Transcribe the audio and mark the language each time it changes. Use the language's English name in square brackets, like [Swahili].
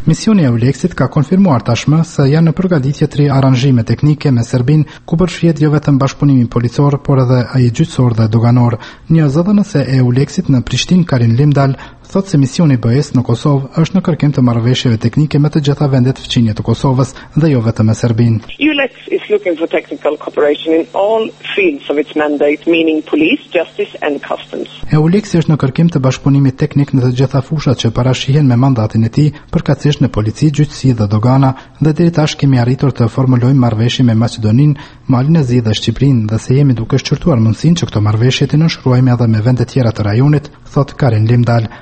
[Albanian] Misioni e Euleksit ka konfirmuar tashmë se janë në përgatitje tri aranjime teknike me Serbinë, ku përfshihet jo vetëm bashkëpunimi policor, por edhe ai gjyqësor dhe doganor. Një ZDNS e Euleksit në Prishtinë Karin Limdal thot se misioni BE-s në Kosovë është në kërkim të marrëveshjeve teknike me të gjitha vendet fqinje të Kosovës dhe jo vetëm me Serbinë. [English] Looking for technical cooperation in all fields of its mandate, meaning police, justice and customs. [Albanian] Euleksi është në kërkim të bashkëpunimit teknik në të gjitha fushat që parashihen me mandatin e tij, përkatësisht në polici, gjyqësi dhe dogana, dhe deri tash kemi arritur të formulojmë marrëveshje me Maqedoninë, Malin e Zi dhe Shqipërinë, dhe se jemi duke shqyrtuar mundësinë që këto marrëveshje të nënshkruajmë edhe me vende tjera të rajonit, thot Karin Limdal.